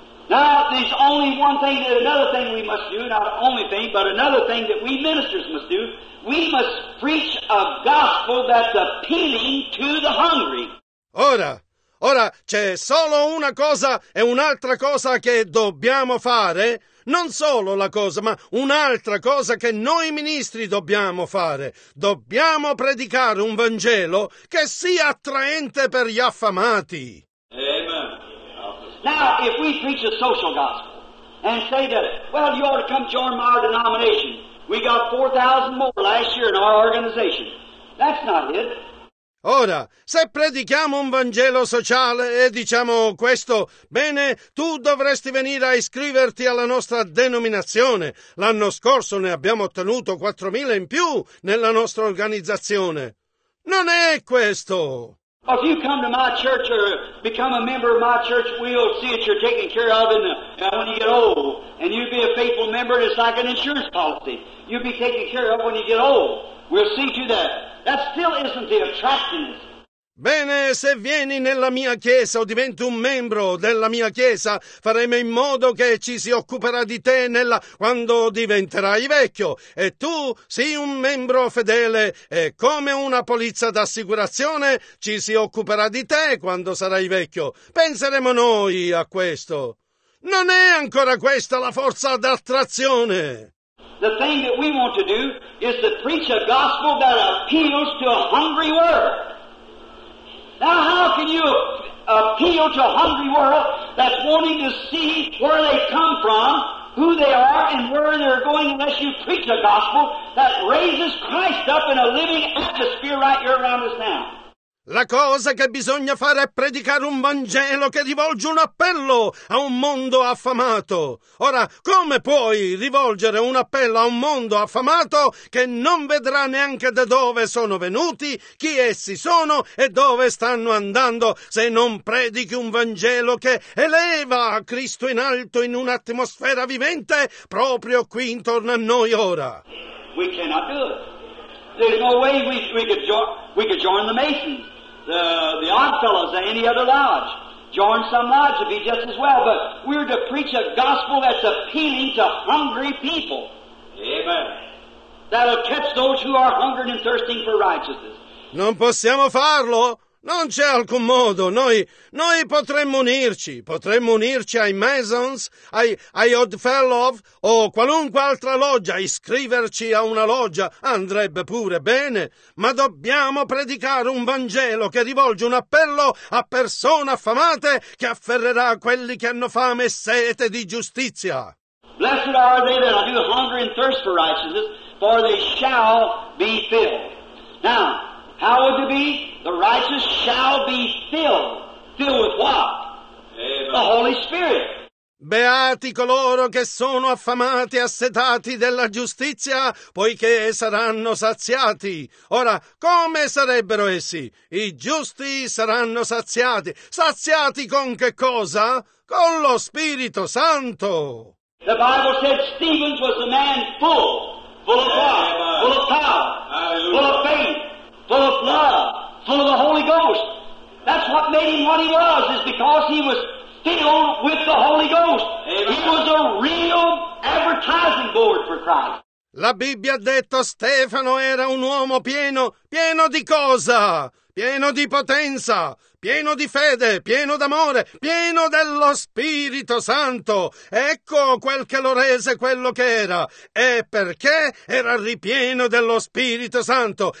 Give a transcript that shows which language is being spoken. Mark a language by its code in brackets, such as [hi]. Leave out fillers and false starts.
[en] Now there's only one thing, another thing we must do, not only thing, but another thing that we ministers must do. We must preach a gospel that's appealing to the hungry. [it] Ora c'è solo una cosa e un'altra cosa che dobbiamo fare. Non solo la cosa, ma un'altra cosa che noi ministri dobbiamo fare. Dobbiamo predicare un Vangelo che sia attraente per gli affamati. [en] Amen. Now, if we preach a social gospel and say that, well, you ought to come join my denomination. We got 4,000 more last year in our organization. That's not it. [it] Ora, se predichiamo un Vangelo sociale e diciamo questo, bene, tu dovresti venire a iscriverti alla nostra denominazione. L'anno scorso ne abbiamo ottenuto 4,000 in più nella nostra organizzazione. Non è questo. [en] If you come to my church or become a member of my church, we'll see that you're taken care of in the, when you get old. And you'll be a faithful member, it's like an insurance policy. You'll be taken care of when you get old. We'll see to that. That still isn't the attractiveness. [it] Bene, se vieni nella mia chiesa o diventi un membro della mia chiesa, faremo in modo che ci si occuperà di te nella quando diventerai vecchio. E tu sii un membro fedele e come una polizza d'assicurazione ci si occuperà di te quando sarai vecchio. Penseremo noi a questo. Non è ancora questa la forza d'attrazione. [en] The thing that we want to do is to preach a gospel that appeals to a hungry world. Now how can you appeal to a hungry world that's wanting to see where they come from, who they are, and where they're going unless you preach a gospel that raises Christ up in a living atmosphere right here around us now? [it] La cosa che bisogna fare è predicare un Vangelo che rivolge un appello a un mondo affamato. Ora, come puoi rivolgere un appello a un mondo affamato che non vedrà neanche da dove sono venuti, chi essi sono e dove stanno andando se non predichi un Vangelo che eleva Cristo in alto in un'atmosfera vivente proprio qui intorno a noi ora? [en] We cannot do it. There's no way we could join the Masons. the Odd Fellows or any other lodge. Join some lodge would be just as well. But we're to preach a gospel that's appealing to hungry people. Amen. That'll catch those who are hungering and thirsting for righteousness. [it] Non possiamo farlo. Non c'è alcun modo. Noi potremmo unirci. Potremmo unirci ai Masons, ai Odd Fellow o qualunque altra loggia. Iscriverci a una loggia andrebbe pure bene. Ma dobbiamo predicare un Vangelo che rivolge un appello a persone affamate che afferrerà quelli che hanno fame e sete di giustizia. [en] Blessed are they that do hunger and thirst for righteousness, for they shall be filled. Now, how would it be? The righteous shall be filled. Filled with what? Amen. The Holy Spirit. [it] Beati coloro che sono affamati e assetati della giustizia, poiché saranno saziati. Ora, come sarebbero essi? I giusti saranno saziati. Saziati con che cosa? Con lo Spirito Santo. [en] The Bible said Stephen was a man full of God, full of power, full of faith. Full of love, full of the Holy Ghost. That's what made him what he was, is because he was filled with the Holy Ghost. Amen. He was a real advertising board for Christ. [it] La Bibbia ha detto Stefano era un uomo pieno di cosa? Pieno di potenza, pieno di fede, pieno d'amore, pieno dello Spirito Santo. Ecco quel che lo rese quello che era. E perché era ripieno dello Spirito Santo.